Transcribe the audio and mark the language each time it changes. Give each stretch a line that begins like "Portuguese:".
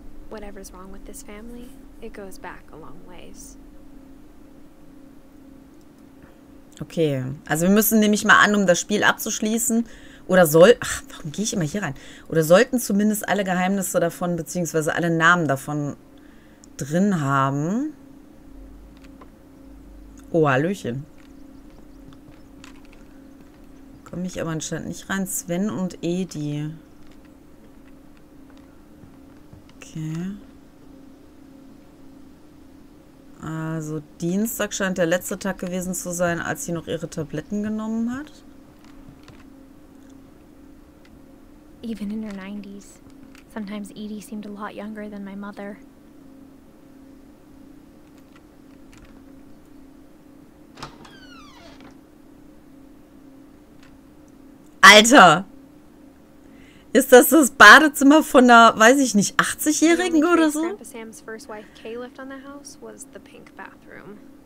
English: Whatever's wrong with this family, it goes back a long ways.
German: Okay, also wir müssen nämlich mal an, um das Spiel abzuschließen. Oder soll... Ach, warum gehe ich immer hier rein? Oder sollten zumindest alle Geheimnisse davon, beziehungsweise alle Namen davon drin haben? Oh, Hallöchen. Komme ich aber anscheinend nicht rein. Sven und Edi. Okay. Also Dienstag scheint der letzte Tag gewesen zu sein, als sie noch ihre Tabletten genommen hat.
English: Even in her 90s, sometimes Edie seemed a lot younger than my mother.
German: Alter! Ist das das Badezimmer von einer, weiß ich nicht, 80-Jährigen oder so?
English: Grandpa Sam's first wife Kay left on the house was the pink bathroom.